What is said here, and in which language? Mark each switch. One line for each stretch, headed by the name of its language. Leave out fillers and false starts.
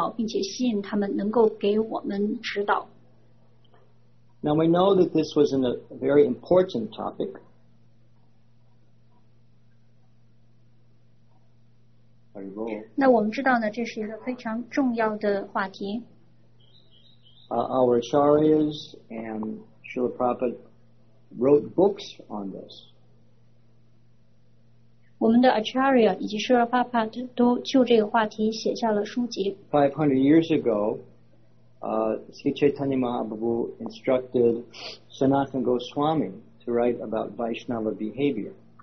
Chinese: 当我们在探讨这个话题的时候呢，我们就要向这三类权威进行祈祷，并且吸引他们能够给我们指导。
English: Now we know that this was a very important topic. Are you going?
Chinese: 那我们知道呢，这是一个非常重要的话题。
English: Our acharyas and Srila Prabhupada wrote books on this.
Chinese: 我们的 acharya 以及Srila Prabhupada 都就这个话题写下了书籍。
English: 500 years ago, Sri Chaitanya Mahaprabhu instructed Sanatana Goswami to write about Vaishnava behavior.